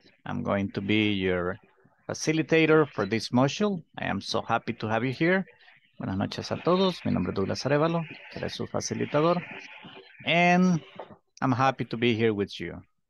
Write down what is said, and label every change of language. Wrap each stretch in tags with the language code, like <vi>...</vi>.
<en>I'm going to be your facilitator for this module. I am so happy to have you here.</en> <es>Buenas noches a todos, mi nombre es Douglas Arevalo, seré su facilitador.</es> <en>And I'm happy to be here with you.</en>